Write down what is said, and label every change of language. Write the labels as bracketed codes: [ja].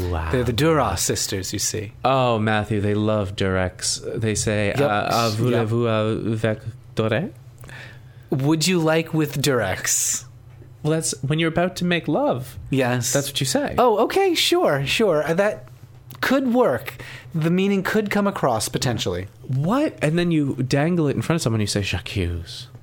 [en] They're the Duras sisters, you see. Oh, Matthew, they love Durex. They say, [fr] voulez-vous avec Durex? [en] Would you like with Durex? Well, that's when you're about to make love. Yes. That's what you say. Oh, okay, sure. That could work. The meaning could come across, potentially. What? And then you dangle it in front of someone and you say, "J'accuse."